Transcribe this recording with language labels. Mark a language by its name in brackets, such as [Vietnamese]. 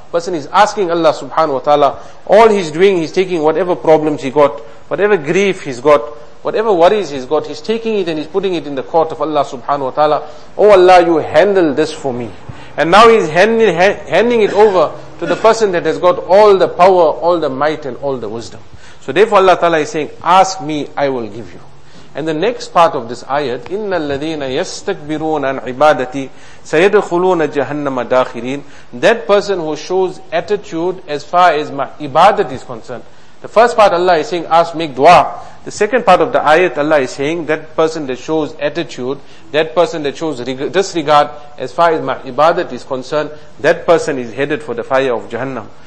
[English] Person is asking Allah subhanahu wa ta'ala, all he's doing, he's taking whatever problems he got, whatever grief he's got, whatever worries he's got, he's taking it and he's putting it in the court of Allah subhanahu wa ta'ala. Oh Allah, you handle this for me. And now he's handing it over to the person that has got all the power, all the might and all the wisdom. So therefore Allah Ta'ala is saying, ask me, I will give you. And the next part of this ayat, [Arabic] إِنَّ الَّذِينَ يَسْتَكْبِرُونَ عَنْ عِبَادَتِي سَيَدْخُلُونَ جَهَنَّمَ دَاخِرِينَ. [English] That person who shows attitude as far as my ibadat is concerned. The first part Allah is saying, ask, make dua. The second part of the ayat Allah is saying, that person that shows attitude, that person that shows disregard as far as my ibadat is concerned, that person is headed for the fire of Jahannam.